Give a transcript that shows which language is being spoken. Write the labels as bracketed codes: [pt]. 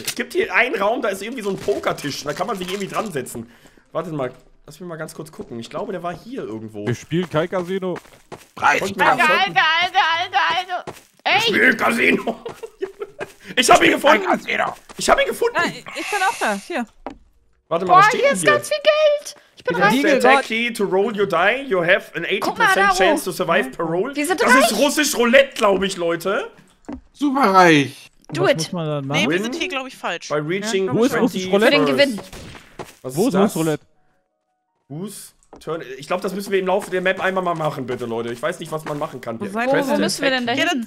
[de] Es gibt hier einen Raum, da ist irgendwie so ein Pokertisch. Da kann man sich irgendwie dran setzen. Warte mal. Lass mich mal ganz kurz gucken. Ich glaube, der war hier irgendwo. Wir spielen kein Casino. Alter. Ey. Wir spielen Casino. Ich hab ihn gefunden! Ich hab ihn gefunden! Ja, ich bin auch da, hier. Warte mal, was steht hier? Boah, hier ist ganz viel Geld! Ich bin reich! [en] Press the attack key to roll your die. You have an 80% chance to survive parole. [de] Wir sind reich! Das ist russisch Roulette, glaube ich, Leute! Super reich! [en] Do it! [de] Nee, wir sind hier, glaube ich, falsch. [en] By reaching [de] 20 für den Gewinn. Wo ist russisch Roulette? [en] Who's turn? [de] Ich glaube, das müssen wir im Laufe der Map einmal mal machen, bitte, Leute. Ich weiß nicht, was man machen kann. Wo müssen wir denn da hin? Ja, dann